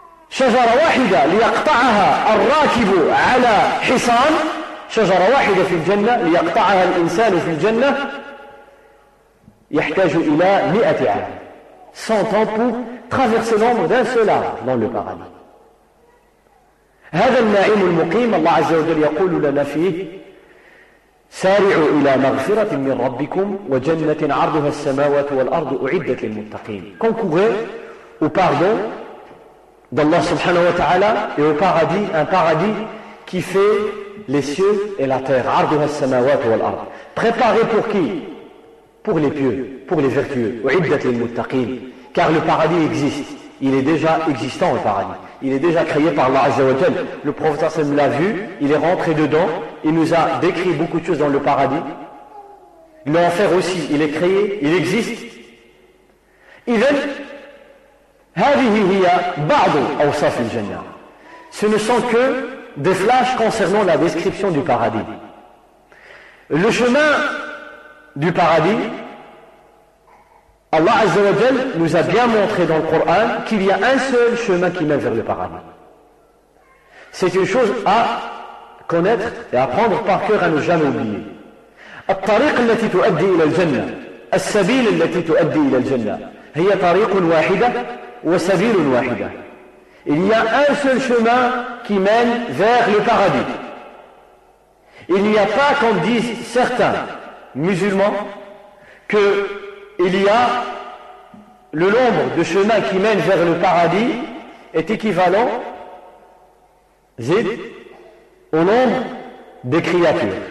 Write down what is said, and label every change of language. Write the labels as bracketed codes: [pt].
[ar] شجرة واحدة ليقطعها الراكب على حصان شجرة واحدة في الجنة ليقطعها الإنسان في الجنة يحتاج إلى 100 عام [fr] 100 ans pour traverser l'ombre d'un seul arbre dans le paradis. [ar] هذا النعيم المقيم الله عز وجل يقول لنا فيه سارعوا إلى مغفرة من ربكم وجنة عرضها السماوات والأرض أعدت للمتقين. [fr] Concourez au pardon d'Allah subhanahu wa ta'ala et au paradis, un paradis qui fait les cieux et la terre, [ar] arduha as-samawati wal ard. [fr] Préparé pour qui? Pour les pieux, pour les vertueux, [ar] uiddat lil muttaqin. [fr] Car le paradis existe, il est déjà existant le paradis. Il est déjà créé par Allah Azza wa Jal. Le prophète sallam l'a vu, il est rentré dedans, il nous a décrit beaucoup de choses dans le paradis. L'enfer aussi, il est créé, il existe. [ar] Idhan hadhihi hiya ba'd awsaf al-jannah. [fr] Ce ne sont que des flashs concernant la description du paradis. Le chemin du paradis, Allah Azza wa Jal nous a bien montré dans le Coran qu'il y a un seul chemin qui mène vers le paradis. C'est une chose à connaître et à prendre par cœur, à ne jamais oublier. [ar] الطريق التي تؤدي إلى الجنة السبيل التي تؤدي إلى الجنة هي طريق واحدة وسبيل واحدة. [fr] Il y a un seul chemin qui mène vers le paradis. Il n'y a pas, comme disent certains musulmans, qu'il y a le nombre de chemins qui mènent vers le paradis est équivalent au nombre des créatures.